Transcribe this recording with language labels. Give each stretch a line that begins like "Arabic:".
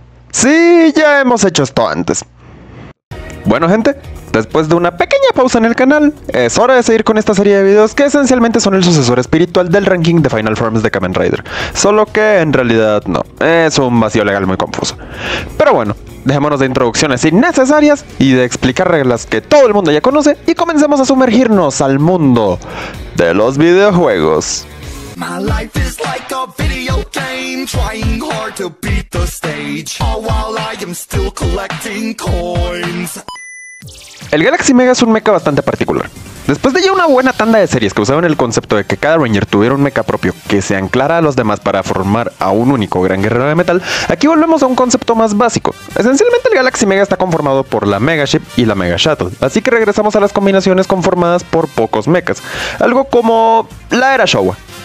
Spanish: Sí, ya hemos hecho esto antes. Bueno, gente, después de una pequeña pausa en el canal, es hora de seguir con esta serie de videos que esencialmente son el sucesor espiritual del ranking de Final Forms de Kamen Rider. Solo que en realidad no, es un vacío legal muy confuso. Pero bueno, dejémonos de introducciones innecesarias y de explicar reglas que todo el mundo ya conoce y comencemos a sumergirnos al mundo de los videojuegos.
English: My life is like a video game, trying hard to beat the stage, all while I am still collecting coins.
Spanish: El Galaxy Mega es un mecha bastante particular. Después de ya una buena tanda de series que usaban el concepto de que cada Ranger tuviera un mecha propio que se anclara a los demás para formar a un único gran guerrero de metal, aquí volvemos a un concepto más básico. Esencialmente el Galaxy Mega está conformado por la Mega Ship y la Mega Shuttle, así que regresamos a las combinaciones conformadas por pocos mechas, algo como la era Showa.